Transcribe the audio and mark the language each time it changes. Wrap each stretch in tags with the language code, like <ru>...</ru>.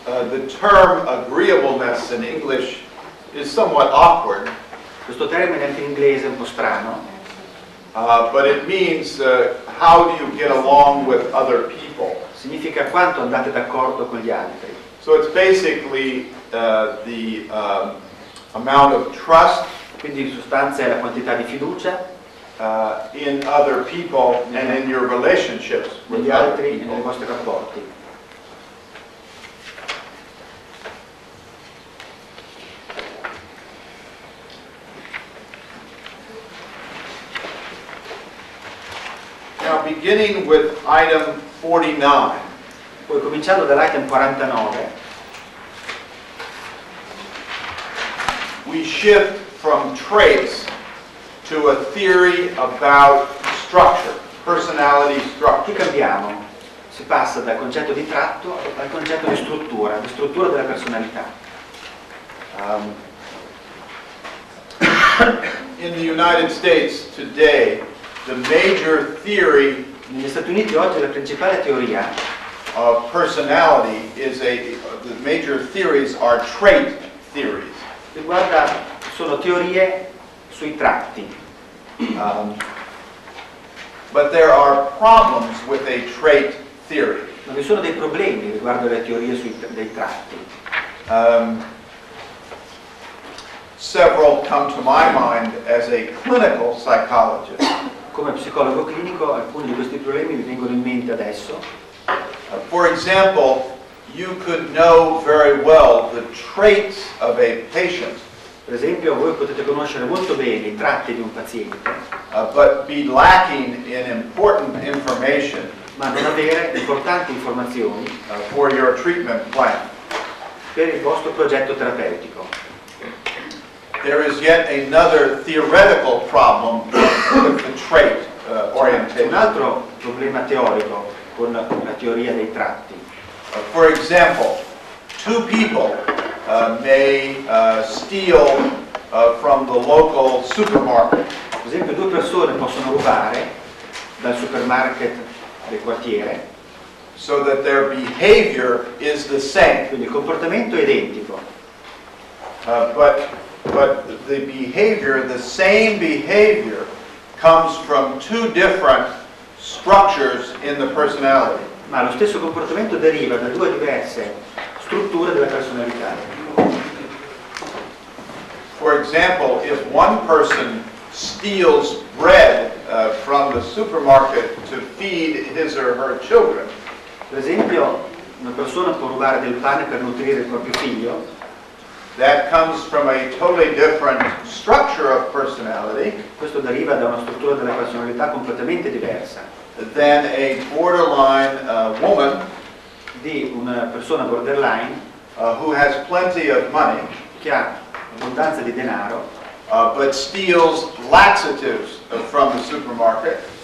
<en>The term agreeableness in English is somewhat awkward.</en> <it>Questo termine anche in inglese è un po' strano.</it> <en>But it means how do you get along with other people?</en> <it>Significa quanto andate d'accordo con gli altri.</it> <en>So it's basically amount of trust.</en> <it>Quindi in sostanza è la quantità di fiducia.</it> <en>In other people and in your relationships with</en> <it>gli altri e nei vostri rapporti.</it> <en>Now beginning with item 49.</en> <it>Poi cominciando dall'item 49.</it> <en>We shift from traits to a theory about structure, personality structure.</en> <it>Che cambiamo? Si passa dal concetto di tratto al concetto di struttura della personalità.</it> <en>In the United States today, the major theory,</en> <it>negli Stati Uniti oggi la principale teoria</it> <en>of personality is the major theories are trait theories.</en> <it>Riguarda sono teorie sui tratti.</it> <en>But there are problems with a trait theory.</en> <it>Ma vi sono dei problemi riguardo alle teorie sui dei tratti.</it> <en>Several come to my mind as a clinical psychologist.</en> <it>Come psicologo clinico, alcuni di questi problemi mi vengono in mente adesso.</it> <en>For example, you could know very well the traits of a patient.</en> <it>Per esempio, voi potete conoscere molto bene I tratti di un paziente.</it> <en>But be lacking in important information.</en> <it>Ma non avere importanti informazioni.</it> <en>For your treatment plan.</en> <it>Per il vostro progetto terapeutico.</it> <en>There is yet another theoretical problem with the trait orientation.</en> <it>Un altro problema teorico con la teoria dei tratti.</it> <en>For example, two people may steal from the local supermarket.</en> <it>Per esempio, due persone possono rubare dal supermarket del quartiere.</it> <en>So that their behavior is the same.</en> <it>Quindi il comportamento è identico.</it> <en>But the behavior, the same behavior, comes from two different structures in the personality.</en> <it>Ma lo stesso comportamento deriva da due diverse strutture della personalità.</it> <en>For example, if one person steals bread from the supermarket to feed his or her children.</en> <it>Per esempio, una persona può rubare del pane per nutrire il proprio figlio.</it> <en>That comes from a totally different structure of personality.</en> <it>Questo deriva da una struttura della personalità completamente diversa.</it> <en>Than a borderline woman,</en> <it>di una persona borderline,</it> <en>who has plenty of money,</en> <it>che ha abbondanza di denaro,</it> <en>but steals laxatives from the supermarket.</en>